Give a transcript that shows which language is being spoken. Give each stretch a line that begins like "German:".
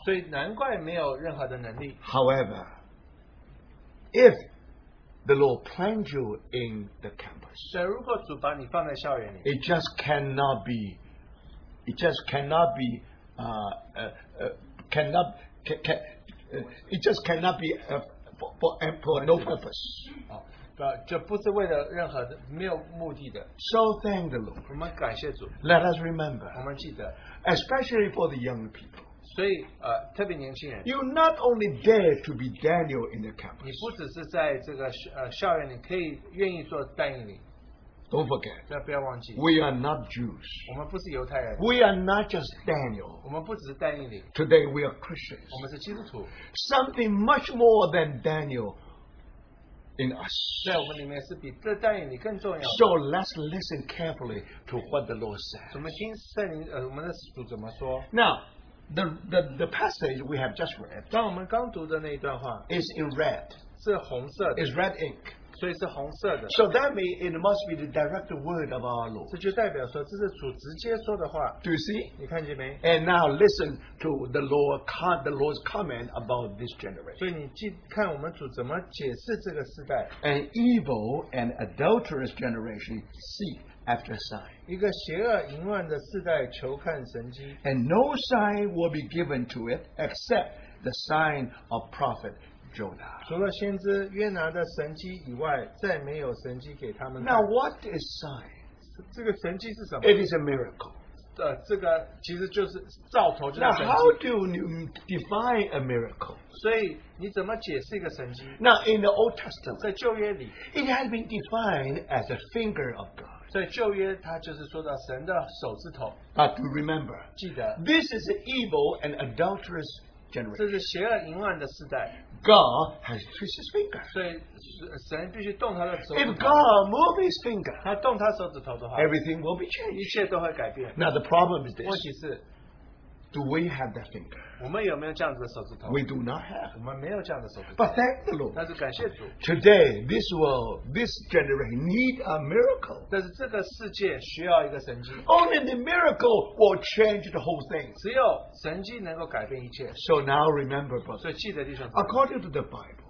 English: However, if the Lord plants you in the campus, it just cannot be for no purpose.
Chinese: 这不是为了任何的没有目的的
English: So thank the Lord.
Chinese: 我们感谢主。
English: Let us remember.
Chinese: 我们记得。
English: Especially for the young people.
Chinese: 所以, 特别年轻人,
English: you not only dare to be Daniel in the campus.
Chinese: 你不只是在这个, 校园里, 可以愿意做Daniel。
English: Don't forget.
Chinese: 不要忘记,
English: we are not Jews.
Chinese: 我们不是犹太人,
English: we are not just Daniel.
Chinese: 我们不只是Daniel。
English: Today we are Christians.
Chinese: 我们是基督徒。
English: Something much more than Daniel in us. So let's listen carefully to what the Lord says.
Chinese: 我们听圣灵，我们的主怎么说?
English: Now, the passage we have just read,
Chinese: 当我们刚读的那一段话,
English: is in red.
Chinese: 是红色的,
English: is red ink.
Chinese: 所以是红色的,
English: so that means it must be the direct word of our Lord.
Chinese: 这就代表说这是主直接说的话,
English: do you see?
Chinese: 你看见没?
English: And now listen to the Lord's comment about this generation.
Chinese: 所以你记看我们主怎么解释这个时代,
English: an evil and adulterous generation seek after a sign.
Chinese: 一个邪恶淫乱的世代求看神迹,
English: and no sign will be given to it except the sign of prophet Jonah.
Chinese: 除了先知约拿的神迹以外，再没有神迹给他们。
English: Now what is sign?
Chinese: 这个神迹是什么?
English: It is a miracle.
Chinese: 这个其实就是兆头，就是神迹。
English: Now how do you define a miracle?
Chinese: 所以你怎么解释一个神迹?
English: Now in the Old Testament,
Chinese: 在旧约里,
English: it has been defined as a finger of God.
Chinese: 在旧约，它就是说到神的手指头。
English: But remember,
Chinese: 记得,
English: this is an evil and adulterous generation.
Chinese: 这是邪恶淫乱的时代。
English: God has to twist his finger.
Chinese: 所以神必须动他的手指头,
English: if God moves his finger,
Chinese: 他动他手指头的话,
English: everything will be changed.
Chinese: 一切都会改变。
English: Now the problem is this.
Chinese: 问题是,
English: do we have that finger?
Chinese: 我们有没有这样子的手指头?
English: We do not have.
Chinese: 我们没有这样的手指头。
English: But thank the Lord.
Chinese: 但是感谢主,
English: today, this world, this generation needs a miracle.
Chinese: 但是这个世界需要一个神迹,
English: only the miracle will change the whole thing.
Chinese: 只有神迹能够改变一切。
English: So now remember, brothers, according to the Bible,